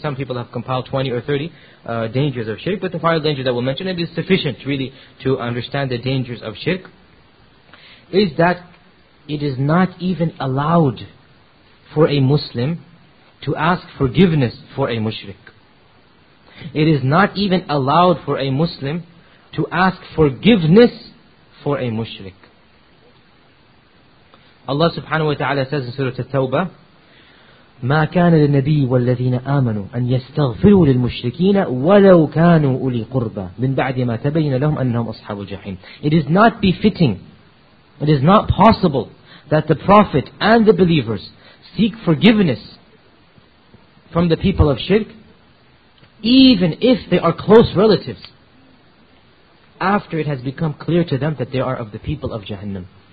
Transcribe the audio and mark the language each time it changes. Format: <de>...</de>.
<en>Some people have compiled 20 or 30 dangers of shirk, but the final danger that we'll mention, and it is sufficient really to understand the dangers of shirk, is that it is not even allowed for a Muslim to ask forgiveness for a mushrik. It is not even allowed for a Muslim to ask forgiveness for a mushrik. Allah subhanahu wa ta'ala says in Surah At-Tawbah,</en> <ar>مَا كَانَ لِلنَّبِيِّ وَالَّذِينَ آمَنُوا أَنْ يَسْتَغْفِرُوا لِلْمُشْرِكِينَ وَلَوْ كَانُوا أُولِي قُرْبَى مِنْ بَعْدِ مَا تَبَيْنَ لَهُمْ أَنَّهُمْ أَصْحَابُ الْجَحِيمِ.</ar> <en>It is not befitting, it is not possible that the Prophet and the believers seek forgiveness from the people of shirk, even if they are close relatives, after it has become clear to them that they are of the people of Jahannam.</en>